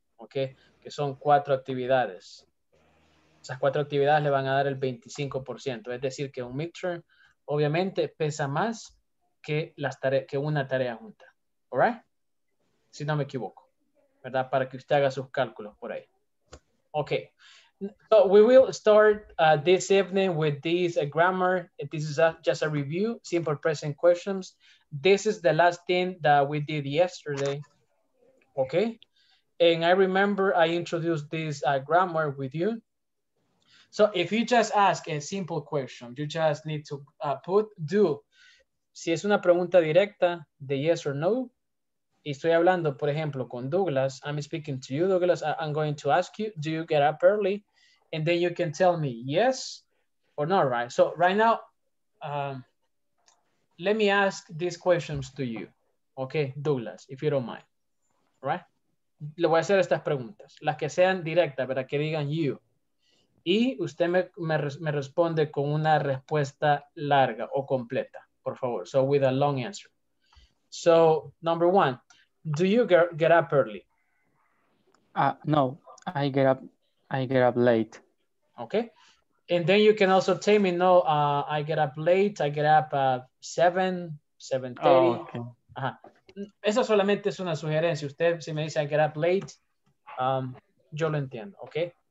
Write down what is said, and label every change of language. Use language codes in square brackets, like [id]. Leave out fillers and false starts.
[es] Okay, que son cuatro actividades. Esas cuatro actividades le van a dar el 25%. Es decir, que un midterm obviamente pesa más que las que una tarea junta. [en] All right? [es] Si no me equivoco, ¿verdad? Para que usted haga sus cálculos por ahí. [en] Okay. So we will start this evening with this grammar. This is just a review, simple present questions. This is the last thing that we did yesterday. Okay? And I remember I introduced this grammar with you. So if you just ask a simple question, you just need to put do. [es] Si es una pregunta directa de [en] yes or no, [es] y estoy hablando, por ejemplo, con Douglas, [en] I'm speaking to you, Douglas, I'm going to ask you, do you get up early? And then you can tell me yes or no, right? So right now, let me ask these questions to you, okay, Douglas, if you don't mind, right? [es] Le voy a hacer estas preguntas, las que sean directas, ¿verdad? Que digan you. Y usted me responde con una respuesta larga o completa, por favor. [en] So with a long answer. So, number one, do you get up early? No, I get up late. Okay. And then you can also tell me, no, I get up late, I get up at 7:30. Oh, okay. [es] Ajá. Esa solamente es una sugerencia. Usted, si me dice [en] I get up late, [es] yo lo entiendo, ¿ok?